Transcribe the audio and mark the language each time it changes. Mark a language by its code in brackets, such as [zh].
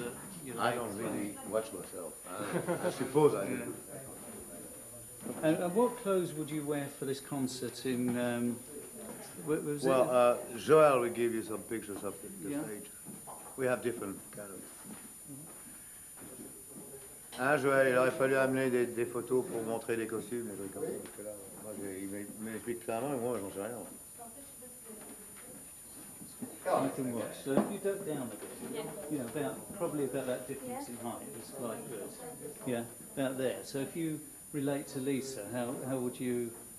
[en] that you I don't really mind. Watch myself. I suppose I do. And what clothes would you wear for this concert in... Joël will give you some pictures of the stage. We have different kind of... [fr] Hein, Joël, il aurait fallu amener des photos pour montrer les costumes. Parce que là, moi, il m'explique clairement, et moi, j'en sais rien. [en] You can watch. So if you duck down a bit, about that difference in height is quite good. Yeah, about there. So if you relate to Lisa, how would you